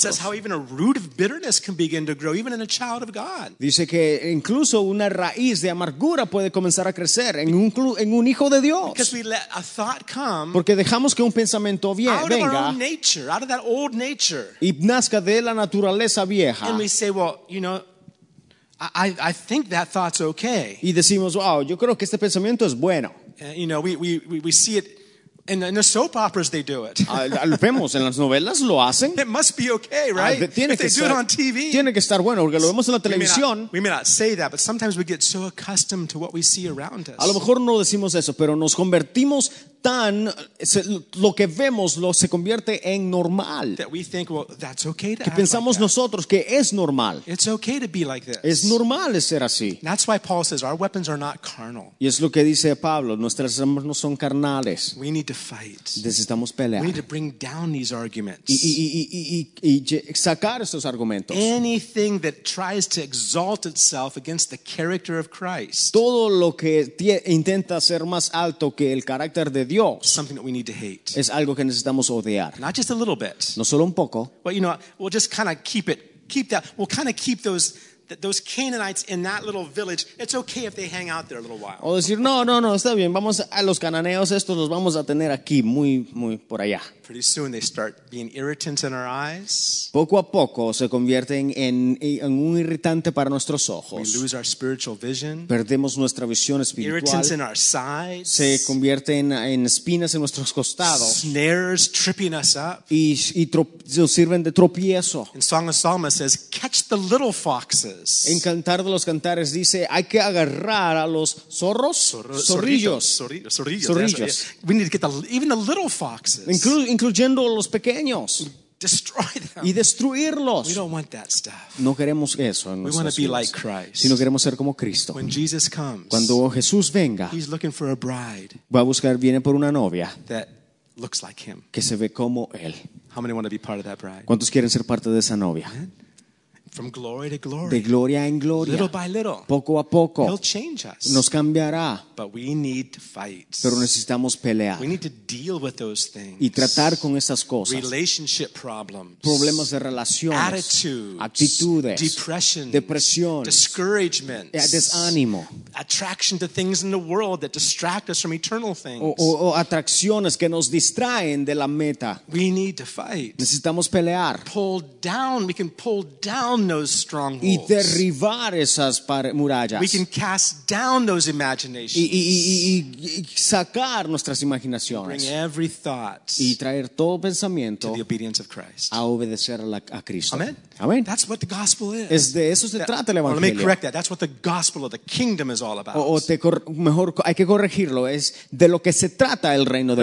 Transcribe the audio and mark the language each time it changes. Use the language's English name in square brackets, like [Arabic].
[English] The Bible says how even a root of bitterness can begin to grow, even in a child of God. [Spanish] Dice que incluso una raíz de amargura puede comenzar a crecer en un hijo de Dios. [English] Because we let a thought come. [Spanish] Porque dejamos que un pensamiento venga. [English] Out of our own nature, out of that old nature. [Spanish] Y nazca de la naturaleza vieja. [English] And we say, well, you know. I think that thought's okay. [Spanish] Y decimos, wow, yo creo que este pensamiento es bueno. [English] You know, we see it in the soap operas. They do it. [Spanish] Vemos en las novelas lo hacen. [English] It must be okay, right? Do it on TV. [Spanish] Tiene que estar bueno porque lo vemos en la televisión. [English] We may not say that, but sometimes we get so accustomed to what we see around us. [Spanish] A lo mejor no decimos eso, pero nos convertimos tan lo que vemos lo se convierte en normal. [English] That we think, well, that's okay to [Spanish] que pensamos [English] like that. [Spanish] Nosotros que es normal. [English] It's okay to be like this. [Spanish] Es normal ser así. [English] That's why Paul says our weapons are not carnal. [Spanish] Y es lo que dice Pablo, nuestras armas no son carnales. [English] We need to fight. [Spanish] Necesitamos pelear. [English] We need to bring down these arguments. [Spanish] Y sacar esos argumentos. [English] Anything that tries to exalt itself against the character of Christ. [Spanish] Todo lo que intenta ser más alto que el carácter de Dios, [English] something that we need to hate. [Spanish] Es algo que necesitamos odiar. [English] Not just a little bit. No solo un poco. But you know, we'll just kind of keep it. Keep that. We'll kind of keep those Canaanites in that little village. It's okay if they hang out there a little while. [Spanish] O decir, no, está bien. Vamos a los cananeos estos, los vamos a tener aquí, muy, muy por allá. [English] Pretty soon they start being irritants in our eyes. [Spanish] Poco a poco se convierten en un irritante para nuestros ojos. [English] We lose our spiritual vision. [Spanish] Perdemos nuestra visión espiritual. [English] Irritants in our sides. [Spanish] Se convierten en espinas en nuestros costados. [English] Snares tripping us up. [Spanish] Y sirven de tropiezo. [English] In Song of Solomon says, catch the little foxes. [Spanish] En Cantar de los Cantares dice, hay que agarrar a los zorros, zorrillos. [English] We need to get even the little foxes. [Spanish] Incluyendo los pequeños. [English] Destroy them. [Spanish] Y destruirlos. [English] We don't want that stuff. [Spanish] No queremos eso en [English] we [Spanish] nuestras [English] want to be like Christ. [Spanish] Sino queremos ser como Cristo. [English] When Jesus comes, [Spanish] cuando Jesús venga, [English] he's looking for a bride. [Spanish] Va a buscar, viene por una novia [English] that looks like him. [Spanish] Que se ve como él. [English] How many want to be part of that bride? [Spanish] ¿Cuántos quieren ser parte de esa novia? [English] From glory to glory. [Spanish] De gloria en gloria. [English] Little by little. [Spanish] Poco a poco. [English] He'll change us. [Spanish] Nos cambiará. [English] But we need to fight. [Spanish] Pero necesitamos pelear. [English] We need to deal with those things. [Spanish] Y tratar con esas cosas. [English] Relationship problems. [Spanish] Problemas de relaciones. [English] Attitudes. [Spanish] Actitudes. [English] Depression. [Spanish] Depresión. [English] Discouragement. [Spanish] Desánimo. [English] Attraction to things in the world that distract us from eternal things. [Spanish] O atracciones que nos distraen de la meta. [English] We need to fight. [Spanish] Necesitamos pelear. [English] Pull down. We can pull down those strongholds. [Spanish] Y derribar esas murallas. [English] We can cast down those imaginations. [Spanish] Y sacar nuestras imaginaciones. [English] Bring every thought [Spanish] y traer todo pensamiento [English] to the obedience of Christ. [Spanish] A obedecer a Cristo. [English] Amen. [Spanish] Amen. [English] That's what the gospel is. [Spanish] Es de eso se trata el evangelio. [English] Well, let me correct that. That's what the gospel of the kingdom is all about. [Spanish] Mejor hay que corregirlo. Es de lo que se trata el reino de